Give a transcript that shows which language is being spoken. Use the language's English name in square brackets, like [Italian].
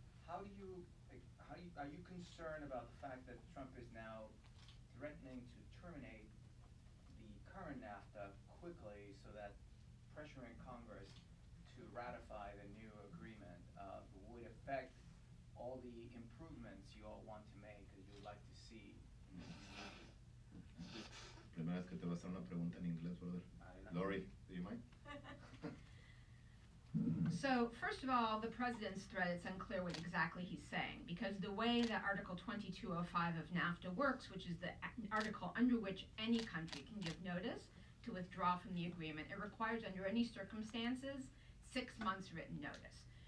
[English] Are you concerned about the fact that Trump is now threatening to terminate the current NAFTA quickly so that pressuring Congress to ratify the new agreement would affect all the improvements you all want to make that you would like to see? [Spanish] Primera vez que te voy a hacer una pregunta en inglés, brother. [English] Lori, do you mind? So, first of all, the president's threat, it's unclear what exactly he's saying, because the way that Article 2205 of NAFTA works, which is the article under which any country can give notice to withdraw from the agreement, it requires, under any circumstances, 6 months written notice.